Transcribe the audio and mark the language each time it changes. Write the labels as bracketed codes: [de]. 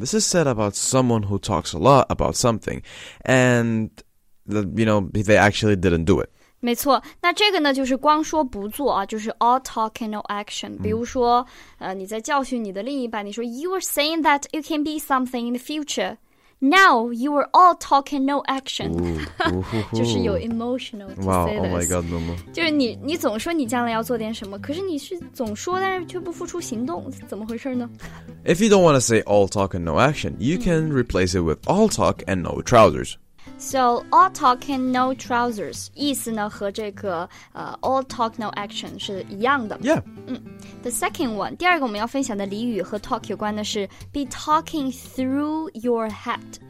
[en] This is said about someone who talks a lot about something and, you know, they actually didn't do it. [zh] 没错，那这个呢就是光说不做啊，就是 [en] all talk and no action. [zh] 比如说、你在教训你的另一半，你说 [en] you were saying that you can be something in the future. Now you are all talk and no action. [zh] 就是有 [en] emotional to say this. Wow, oh my god, no more. [zh] 就是你总说你将来要做点什么，可是你是总说但是却不付出行动，怎么回事呢？ [en] If you don't want to say all talk and no action, you can replace it with all talk and no trousers. So, all talk and no trousers, [zh] 意思呢和这个、 [en] all talk, no action [zh] 是一样的。 [en] Yeah.、 The second one, [zh] 第二个我们要分享的俚语和 talk 有关的是 [en] be talking through your head.